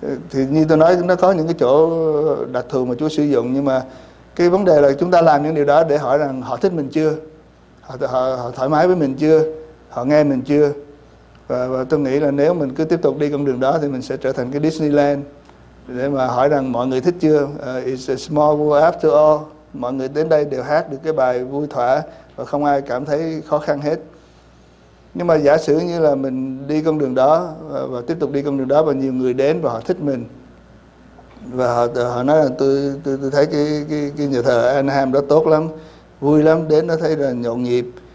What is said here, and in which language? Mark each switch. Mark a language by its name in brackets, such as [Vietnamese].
[Vietnamese] Thì như tôi nói, nó có những cái chỗ đặc thù mà Chúa sử dụng, nhưng mà cái vấn đề là chúng ta làm những điều đó để hỏi rằng họ thích mình chưa, họ thoải mái với mình chưa, họ nghe mình chưa. Và tôi nghĩ là nếu mình cứ tiếp tục đi con đường đó thì mình sẽ trở thành cái Disneyland để mà hỏi rằng mọi người thích chưa. [English] It's a small world after all. [Vietnamese] Mọi người đến đây đều hát được cái bài vui thỏa và không ai cảm thấy khó khăn hết. Nhưng mà giả sử như là mình đi con đường đó và tiếp tục đi con đường đó, và nhiều người đến và họ thích mình, và họ nói là tôi thấy cái nhà thờ Anaheim đó tốt lắm, vui lắm, đến nó thấy là nhộn nhịp.